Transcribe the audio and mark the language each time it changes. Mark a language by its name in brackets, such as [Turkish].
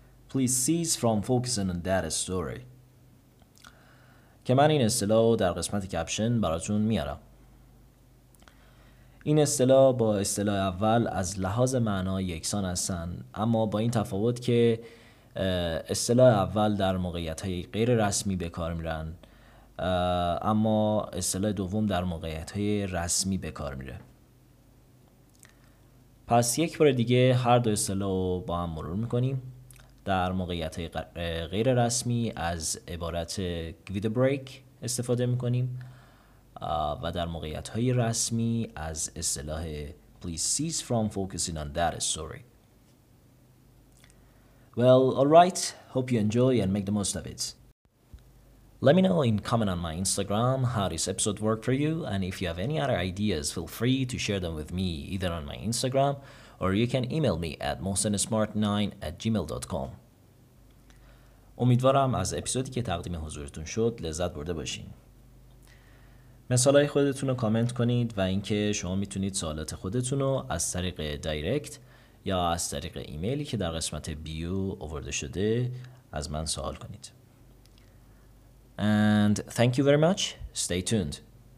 [English] Please cease from focusing on that story. [Persian] که من این اصطلاح در قسمت کپشن براتون میارم. این اصطلاح با اصطلاح اول از لحاظ معنا یکسان هستن، اما با این تفاوت که اصطلاح اول در موقعیت‌های غیر رسمی به کار میرن، اما اصطلاح دوم در موقعیت‌های رسمی به کار میره. پس یک بار دیگه هر دو اصطلاح رو با هم مرور میکنیم. در موقعیت غیر رسمی از عبارت [English] give the break [Persian] استفاده میکنیم و در موقعیت های رسمی از اصطلاح [English] please cease from focusing on that story. Well, alright, hope you enjoy and make the most of it. Let me know in comment on my Instagram how this episode worked for you, and if you have any other ideas, feel free to share them with me either on my Instagram or you can email me at mohsensmart9@gmail.com. [Persian] امیدوارم از اپیزودی که تقدیم حضورتون شد لذت برده باشین. مثالای خودتون رو کامنت کنید و اینکه شما میتونید سوالات خودتون رو از طریق دایرکت یا از طریق ایمیلی که در قسمت بیو آورده شده از من سوال کنید. [English] And thank you very much. Stay tuned.